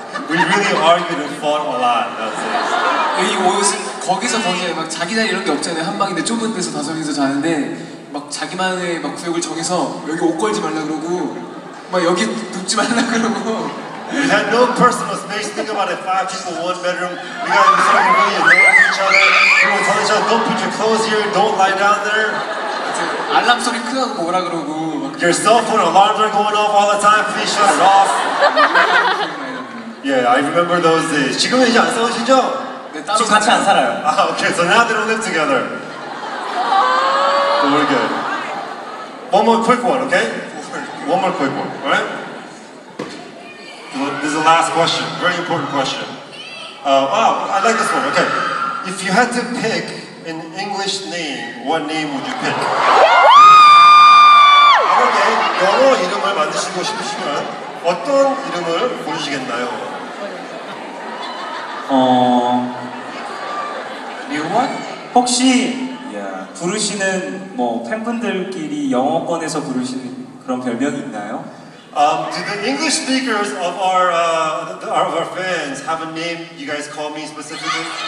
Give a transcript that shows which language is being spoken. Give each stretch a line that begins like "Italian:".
English: We really argued and fought a lot. That's it.
Korean: 거기서 거기에 막 자기 자리 이런 게 없잖아요. 한 방인데 좁은 데서 다섯 명이서 자는데 막 자기만의 막 구역을 정해서 여기 옷 걸지 말라 그러고 막 여기 눕지 말라 그러고.
English: We had no personal space. Think about it. Five people, one bedroom. We got to start really annoying each other. Everyone tell each other, don't put your clothes here. Don't lie down there.
Korean: 알람 소리 크다고 뭐라 그러고.
English: Your cell phone alarms are going off all the time. Please shut it off. Yeah, I remember those days.
Korean: 지금은 이제 안 싸우시죠? 좀 같이 안 살아요.
English: Okay, so now they don't live together. But we're good. One more quick one, okay? One more quick one, all right? This is the last question, very important question. I like this one, okay. If you had to pick an English name, what name would you pick? Okay,
Korean: 영어 이름을 만드시고 싶으시면 어떤 이름을 고르시겠나요? 리오 원? 혹시 부르시는 뭐 팬분들끼리 영어권에서 부르시는 그런 별명이 있나요?
English: Do the English speakers of our fans have a name you guys call me specifically?